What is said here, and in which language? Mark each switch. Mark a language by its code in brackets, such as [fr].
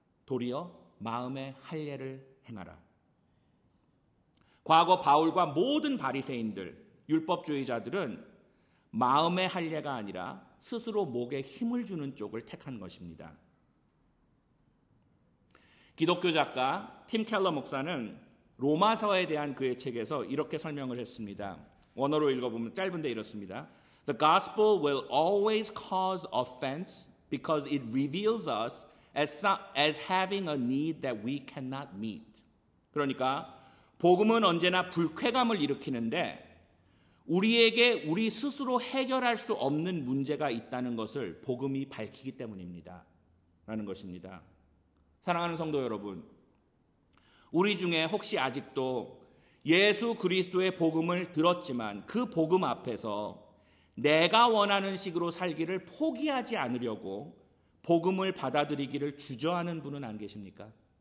[ko] 도리어 마음의 할례를 행하라. 과거 바울과 모든 바리새인들, 율법주의자들은 마음의 할례가 아니라 스스로 목에 힘을 주는 쪽을 택한 것입니다. 기독교 작가 팀 켈러 목사는 로마서에 대한 그의 책에서 이렇게 설명을 했습니다. 원어로 읽어보면 짧은데 이렇습니다. [en] The gospel will always cause offense because it reveals us as having a need that we cannot meet. [ko] 그러니까 복음은 언제나 불쾌감을 일으키는데 우리에게 우리 스스로 해결할 수 없는 문제가 있다는 것을 복음이 밝히기 때문입니다. 라는 것입니다. 사랑하는 성도 여러분, 우리 중에 혹시 아직도 예수 그리스도의 복음을 들었지만 그 복음 앞에서 내가 원하는 식으로 살기를 포기하지 않으려고 복음을 받아들이기를 주저하는 분은 안 계십니까?